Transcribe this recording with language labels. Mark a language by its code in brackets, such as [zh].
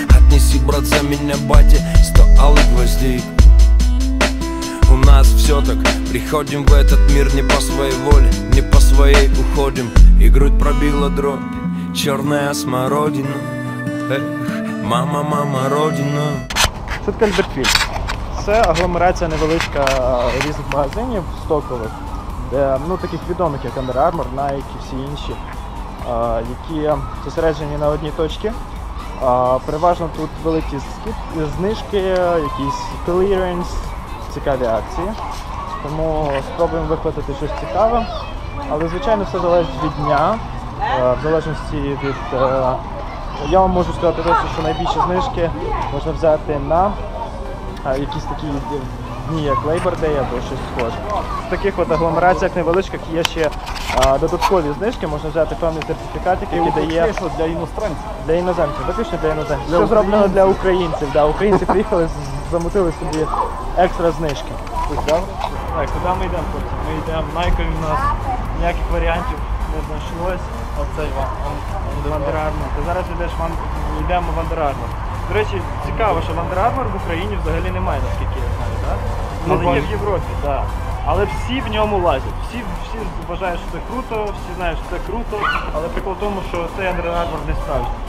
[ru] Отнеси, брат, за меня, батя, 100 алых гвоздей. У нас все так, приходим в этот мир не по своей воле, не по своей уходим. И грудь пробила дробь, черная смородина. Мама, мама, родина. [uk] Що таке Альбертфіль? Це агломерація невеличка різних магазинів стокових, де, ну, таких відомих, як Under Armour, Nike і всі інші, які зосереджені на одній точці. Переважно тут великі знижки, якісь клиренс, цікаві акції. Тому спробуємо викликати щось цікаве. Але, звичайно, все залежить від дня, в залежності від... Я вам можу сказати те, що найбільші знижки можна взяти на якісь такі дні, як Labor Day або щось схоже. В таких от агломераціях невеличких є ще додаткові знижки, можна взяти певний сертифікат, який дає... Це що для іноземців? Для іноземців, виключно для іноземців. Для що зроблено для українців, да. Українці приїхали, замутили собі екстра знижки. Так, куди ми йдемо потім? Ми йдемо, Nike у нас ніяких варіантів не знайшлось. Оцей Under Armour. Ти зараз йдеш йдемо в Under Armour. До речі, цікаво, що Under Armour в Україні взагалі немає, наскільки я знаю, так? Але є в Європі, так. Да. Але всі в ньому лазять. Всі вважають, що це круто, всі знають, що це круто. Але прикол в тому, що цей Under Armour не справжній.